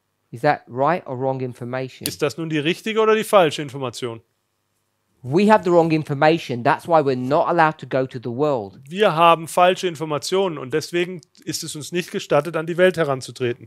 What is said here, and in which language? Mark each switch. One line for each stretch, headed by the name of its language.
English: Is that right or wrong information?
German: Ist das nun die richtige oder die falsche Information?
English: We have the wrong information. That's why we're not allowed to go to the world.
German: Wir haben falsche Informationen und deswegen ist es uns nicht gestattet, an die Welt heranzutreten.